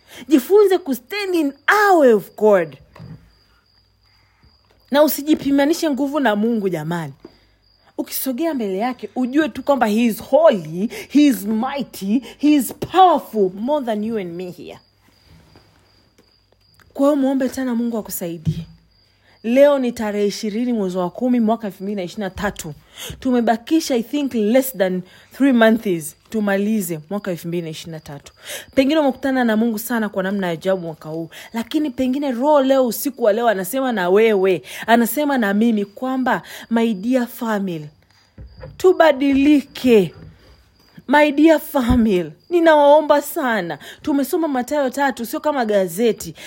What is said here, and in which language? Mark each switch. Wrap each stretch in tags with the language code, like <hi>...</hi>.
<sw>Jifunze ku</sw> <en>stand in awe of God.</en> <sw>Na usijipimanishe nguvu na Mungu jamani. Ukisogea mbele yake, ujue tu kwamba</sw> <en>he is holy, he is mighty, he is powerful more than you and me here.</en> <sw>Kwa hiyo muombe sana Mungu akusaidie. Leo ni tarehe 20 mwezi wa 10 mwaka 2023. Tumebakisha</sw> <en>I think</en> <sw>less than 3 months tumalize mwaka 2023. Pengine umekutana na Mungu sana kwa namna ya ajabu mwaka huu. Lakini pengine roho leo usiku wa leo anasema na wewe, anasema na mimi kwamba</sw> <en>my dear family,</en> <sw>tubadilike.</sw> <en>My dear family,</en> <sw>ninawaomba sana. Tumesoma Mathayo 3, sio kama gazeti.</sw>